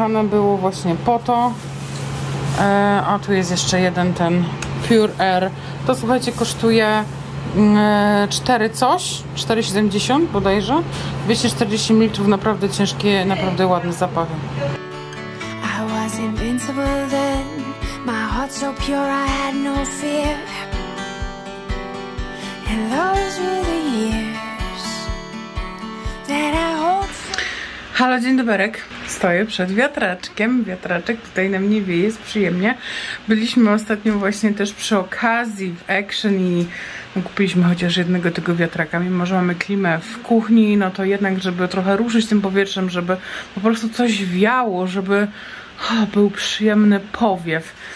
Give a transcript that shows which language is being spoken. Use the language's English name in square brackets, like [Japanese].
[Polish] Głównie pojechane było właśnie po to. A tu jest jeszcze jeden, ten Pure Air. To słuchajcie, kosztuje 4,70 bodajże. 240 ml, naprawdę ciężkie, naprawdę ładne zapachy. [English] I was invincible then. My heart so pure, I had no fear. And those were the years that I hoped for. [Polish] Halo, dzień dobry. Stoję przed wiatraczkiem. Wiatraczek tutaj na mnie wieje, jest przyjemnie. Byliśmy ostatnio właśnie też przy okazji w Action i kupiliśmy chociaż jednego tego wiatraka. Mimo że mamy klimę w kuchni, no to jednak, żeby trochę ruszyć tym powietrzem, żeby po prostu coś wiało, żeby był przyjemny powiew.